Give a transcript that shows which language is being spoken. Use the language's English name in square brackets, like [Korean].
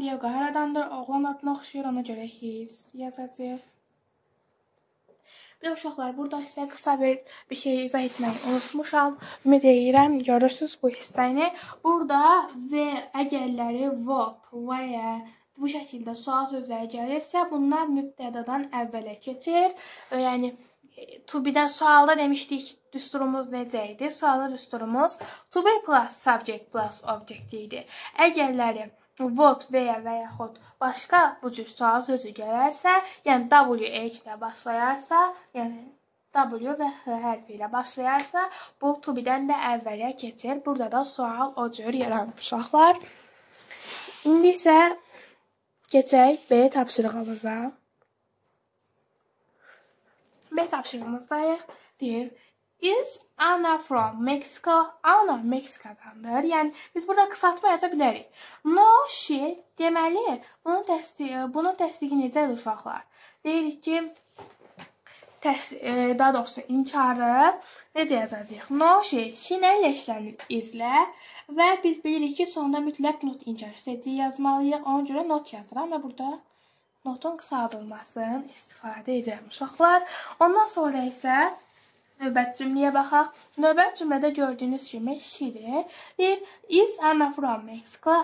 [Azerbaijani] Diego haradandır, oğlan adına oxşuyur, ona görə his yazacaq. Bir uşaqlar, burada sizə qısa bir şey izah etməyi unutmuşam. Ümid edirəm, görürsünüz bu hissəni. Burada və əgərləri what, where, bu şəkildə sual sözləri gəlirsə, bunlar mübtədadan əvvələ keçir. Yəni, to be-dən sualda demişdik, düsturumuz necə idi? Sualda düsturumuz to be plus subject plus object idi. Əgərləri what və yaxud başqa bu cür sual sözü gələrsə, yəni wh ilə başlayarsa, yəni w və h hərfi ilə başlayarsa, bu to be-dən də əvvələ keçir. Burada da sual o cür yaranır uşaqlar. İndi isə keçək B tapşırığımıza. B tapşırığımızdayıq. Deyir, [English] is Anna from Mexico? [Azerbaijani] Anna Meksikadandır. Yəni, biz burada qısaltma yaza bilərik. [English] No, she. [Azerbaijani] Deməli, bunun təsdiqi necədir uşaqlar? Deyirik ki, daha doğrusu inkarı necə yazacaq? [English] No, she. [Azerbaijani] She nəylə işlənir? İzlə. Və biz bilirik ki, sonunda mütləq not inkar istəyici yazmalıyıq. Onun görə not yazıram və burada notun qısaldılmasını istifadə edirəm uşaqlar. Ondan sonra isə növbət cümləyə baxaq. Növbət cümlədə gördüyünüz kimi şidir. Deyir, [English] is Anna from Mexico?